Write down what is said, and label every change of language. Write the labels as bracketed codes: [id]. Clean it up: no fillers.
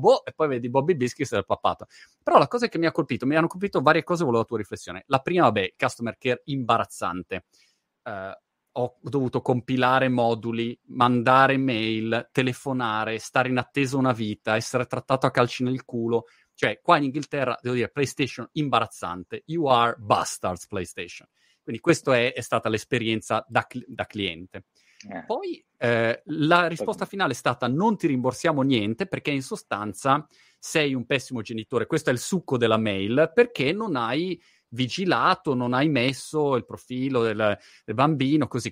[it] Boh, e poi vedi Bobby Biscuits e il pappato. Però la cosa che mi ha colpito, mi hanno colpito varie cose, volevo la tua riflessione. La prima, vabbè, customer care imbarazzante. Ho dovuto compilare moduli, mandare mail, telefonare, stare in attesa una vita, essere trattato a calci nel culo. Cioè, qua in Inghilterra, devo dire, PlayStation imbarazzante. [en] You are bastards, PlayStation. [it] Quindi questa è stata l'esperienza da cliente. Poi la risposta finale è stata non ti rimborsiamo niente perché in sostanza sei un pessimo genitore. Questo è il succo della mail, perché non hai vigilato, non hai messo il profilo del bambino, così.